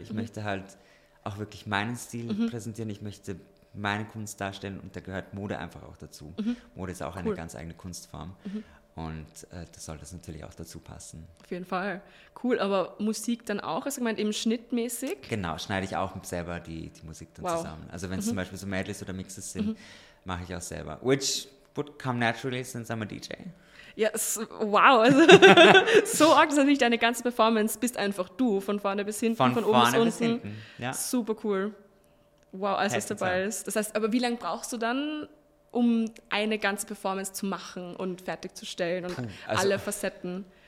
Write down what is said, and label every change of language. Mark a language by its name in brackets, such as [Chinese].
[German] Ich möchte halt auch wirklich meinen Stil präsentieren. Ich möchte meine Kunst darstellen und da gehört Mode einfach auch dazu. Mode ist auch eine ganz eigene Kunstform. Und da soll das natürlich auch dazu passen. Auf jeden Fall. Cool, aber Musik dann auch? Also gemeint eben schnittmäßig? Genau, schneide ich auch selber die Musik dann zusammen. Also wenn es zum Beispiel so Medleys oder Mixes sind, mache ich auch selber. [English] Which would come naturally since I'm a DJ. [German] Ja, wow. So arg, dass natürlich deine ganze Performance bist einfach du, von vorne bis hinten, von oben bis unten. Ja. Super cool. Wow, als es dabei ist. Das heißt, aber wie lange brauchst du dann, um eine ganze Performance zu machen und fertigzustellen und alle Facetten?